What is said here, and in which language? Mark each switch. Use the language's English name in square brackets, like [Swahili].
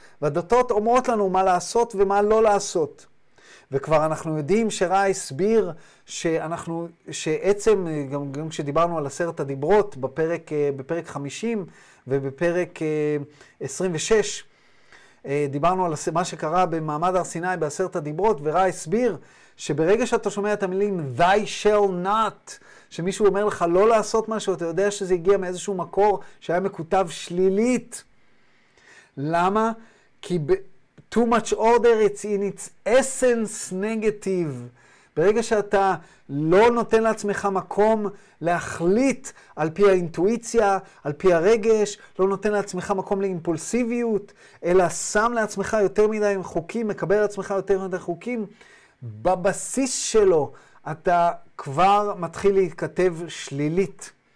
[Hebrew] והדתות אומרות לנו מה לעשות ומה לא לעשות. וכבר אנחנו יודעים שרא הסביר שאנחנו, שעצם, גם כשדיברנו על עשרת הדיברות בפרק 50 ובפרק 26, דיברנו על מה שקרה במעמד הר סיני בעשרת הדיברות, ורא הסביר שברגע שאתה שומע את המילים [English] "Thy shall not", [Hebrew] שמישהו אומר לך לא לעשות משהו, אתה יודע שזה הגיע מאיזשהו מקור שהיה מכותב שלילית. למה? כי [English] too much order it's in its essence negative. [Hebrew] ברגע שאתה לא נותן לעצמך מקום להחליט על פי האינטואיציה, על פי הרגש, לא נותן לעצמך מקום לאימפולסיביות, אלא שם לעצמך יותר מדי חוקים, מקבל לעצמך יותר מדי חוקים, בבסיס שלו אתה כבר מתחיל להתכתב שלילית.